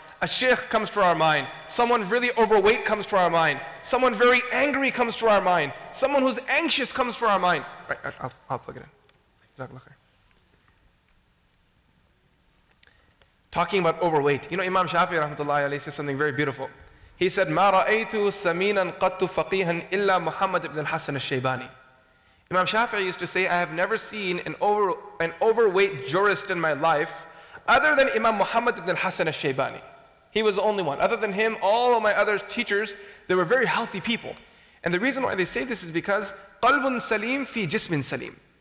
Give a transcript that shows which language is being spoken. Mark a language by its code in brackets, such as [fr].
[en] A sheikh comes to our mind. Someone really overweight comes to our mind. Someone very angry comes to our mind. Someone who's anxious comes to our mind. Right, I'll plug it in. Talking about overweight. You know, Imam Shafi rahmatullahi alayhi says something very beautiful. He said, [ar] مَا رَأَيْتُ سَمِينًا قَدْتُ فَقِيهًا إِلَّا مُحَمَّدْ ibn al-Hassan al-Shaybani. [en] Imam Shafi'i used to say, I have never seen an overweight jurist in my life other than Imam Muhammad ibn al-Hassan al-Shaybani. He was the only one. Other than him, all of my other teachers, they were very healthy people. And the reason why they say this is because [ar] قَلْبٌ سَلِيمٌ فِي جِسْمٍ سَلِيمٌ.